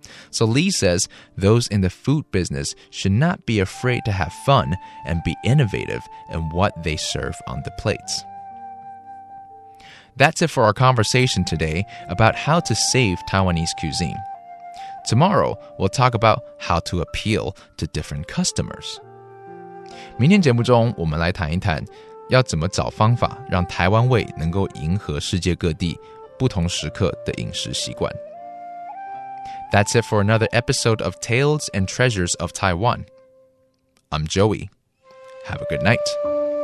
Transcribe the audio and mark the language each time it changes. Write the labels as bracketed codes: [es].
[en] So Lee says those in the food business should not be afraid to have fun and be innovative in what they serve on the plates. That's it for our conversation today about how to save Taiwanese cuisine. Tomorrow, we'll talk about how to appeal to different customers. [zh] 明天节目中我们来谈一谈要怎么找方法让台湾味能够迎合世界各地不同时刻的饮食习惯。 [en] That's it for another episode of Tales and Treasures of Taiwan. I'm Joey. Have a good night.